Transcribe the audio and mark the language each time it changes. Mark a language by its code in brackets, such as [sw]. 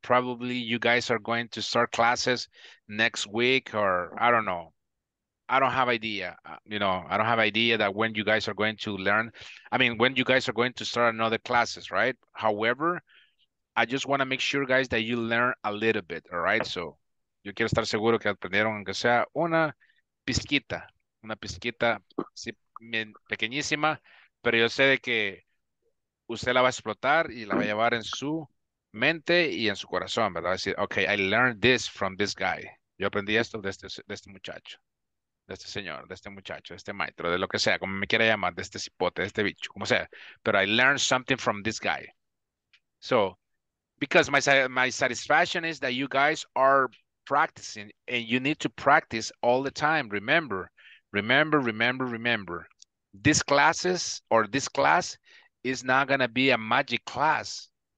[en] Probably you guys are going to start classes next week, or I don't know. I don't have idea, you know, I don't have idea that when you guys are going to learn, I mean, when you guys are going to start another classes, right? However, I just want to make sure, guys, that you learn a little bit, all right? [es] So, yo quiero estar seguro que aprendieron, aunque sea una pizquita, sí, pequeñísima, pero yo sé de que usted la va a explotar y la va a llevar en su mente y en su corazón, ¿verdad? [en] Decir, okay, I learned this from this guy. [es] Yo aprendí esto de este muchacho. De este señor, de este muchacho, de este maestro, de lo que sea, como me quiera llamar, de este cipote, de este bicho, como sea. [en] But I learned something from this guy. So, because my satisfaction is that you guys are practicing and you need to practice all the time. Remember. These classes or this class is not going to be a magic class.